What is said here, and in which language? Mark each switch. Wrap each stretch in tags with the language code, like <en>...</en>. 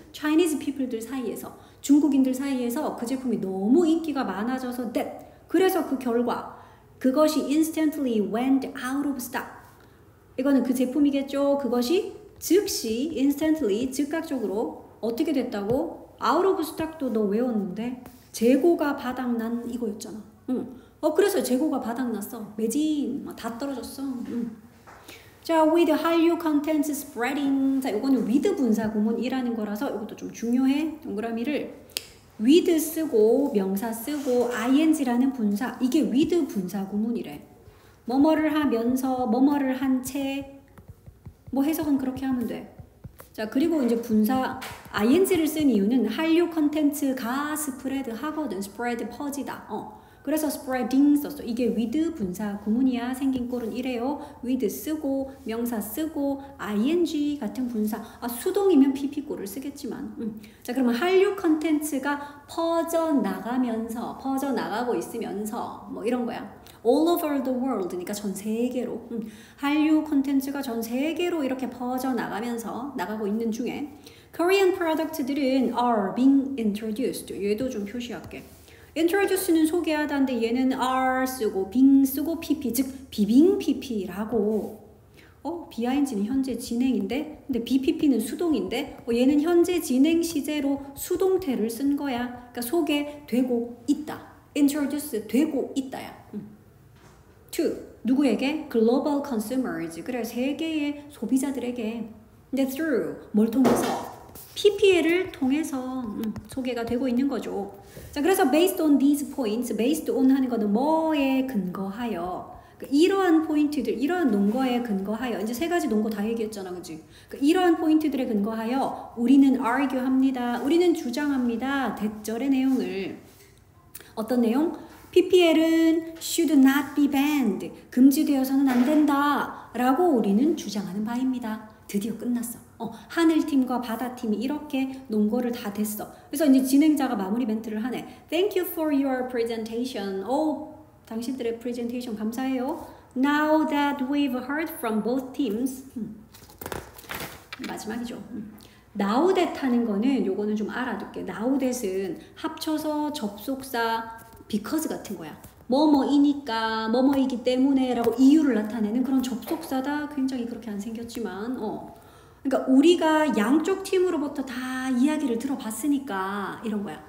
<ko>Chinese people들 사이에서, 중국인들 사이에서 그 제품이 너무 인기가 많아져서 that, 그래서 그 결과 그것이</ko> <en>instantly went out of stock.</en> <ko>이거는 그 제품이겠죠. 그것이 즉시 instantly 즉각적으로 어떻게 됐다고?</ko> <en>out of stock</en> <ko>도 너 외웠는데 재고가 바닥난 이거였잖아. 그래서 재고가 바닥났어. 매진 막 다 떨어졌어. 자,</ko> <en>with Hallyu contents spreading.</en> <ko>자, 이거는 with 분사 구문이라는 거라서 이것도 좀 중요해. 동그라미를 with 쓰고 명사 쓰고 ing라는 분사, 이게 with 분사 구문이래. 뭐뭐를 하면서 뭐뭐를 한 채, 뭐 해석은 그렇게 하면 돼. 자, 그리고 이제 분사 ing를 쓴 이유는 한류 컨텐츠가 스프레드 하거든. 스프레드 퍼지다. 그래서 spreading 썼어. 이게 with 분사 구문이야. 생긴 꼴은 이래요. with 쓰고 명사 쓰고 ing 같은 분사. 수동이면 pp 꼴을 쓰겠지만. 자, 그러면 한류 컨텐츠가 퍼져나가면서, 퍼져나가고 있으면서 뭐 이런 거야.</ko> <en>all over the world</en> <ko>니까 전 세계로. 한류 컨텐츠가 전 세계로 이렇게 퍼져나가면서 나가고 있는 중에 Korean product들은</ko> <en>are being introduced.</en> <ko>얘도 좀 표시할게. Introduce는 소개하다인데 얘는 are 쓰고 being 쓰고 pp, 즉 being pp라고. being는 현재 진행인데, 근데 bpp는 수동인데, 얘는 현재 진행 시제로 수동태를 쓴 거야. 그러니까 소개되고 있다, introduce 되고 있다야.</ko> <en>2.</en> <ko>누구에게?</ko> <en>Global consumers.</en> <ko>그래, 세계의 소비자들에게. 근데</ko> <en>through</en> <ko>뭘 통해서? PPL을 통해서 소개가 되고 있는 거죠. 자, 그래서</ko> <en>based on these points,</en> <ko>based on 하는 거는 뭐에 근거하여, 그러니까 이러한 포인트들, 이러한 논거에 근거하여, 이제 세 가지 논거 다 얘기했잖아, 그치? 그러니까 이러한 포인트들에 근거하여 우리는 argue합니다. 우리는 주장합니다. 대절의 내용을. 어떤 내용?</ko> <en>PPL은 should not be banned.</en> <ko>금지되어서는 안 된다 라고 우리는 주장하는 바입니다. 드디어 끝났어. 하늘팀과 바다팀이 이렇게 논거를 다 됐어. 그래서 이제 진행자가 마무리 멘트를 하네.</ko> <en>Thank you for your presentation.</en> <ko>당신들의 프레젠테이션 감사해요.</ko> <en>Now that we've heard from both teams.</en> <ko>마지막이죠. Now that 하는 거는 요거는 좀 알아둘게. Now that은 합쳐서 접속사 because 같은 거야. 뭐뭐이니까, 뭐뭐이기 때문에 라고 이유를 나타내는 그런 접속사다. 굉장히 그렇게 안 생겼지만 그러니까 우리가 양쪽 팀으로부터 다 이야기를 들어봤으니까 이런 거야.</ko>